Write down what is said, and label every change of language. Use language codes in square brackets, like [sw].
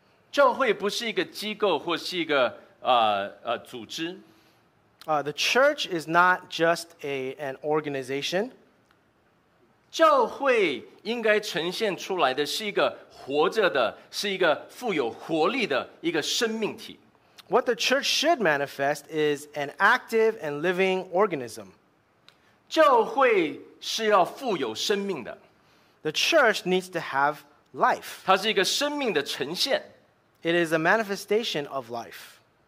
[zh] 教会不是一个机构或是一个组织。 [en] The church is not just an organization. [zh] 教会应该呈现出来的是一个活着的，是一个富有活力的一个生命体。 [en] What the church should manifest is an active and living organism. [zh] 教会是要富有生命的。 [en] The church needs to have life. [zh] 它是一个生命的呈现。 [en] It is a manifestation of life.